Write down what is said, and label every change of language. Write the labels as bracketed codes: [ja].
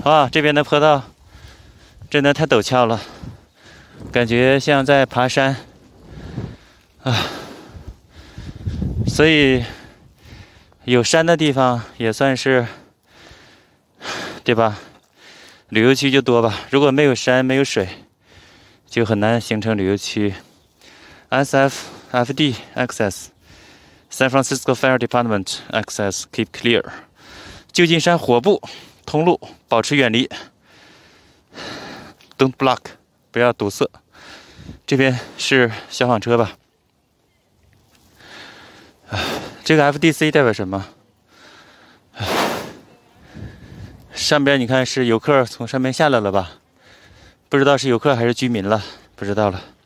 [zh] 这边的坡道真的太陡峭了，感觉像在爬山所以，有山的地方也算是，对吧？旅游区就多吧。如果没有山，没有水，就很难形成旅游区。 [en] SFFD access, San Francisco Fire Department access, keep clear. [zh] 旧金山火部通路保持远离。 [en] Don't block, [zh] 不要堵塞。这边是消防车吧？这个 FDC 代表什么？上边你看是游客从上面下来了吧？不知道是游客还是居民了，不知道了。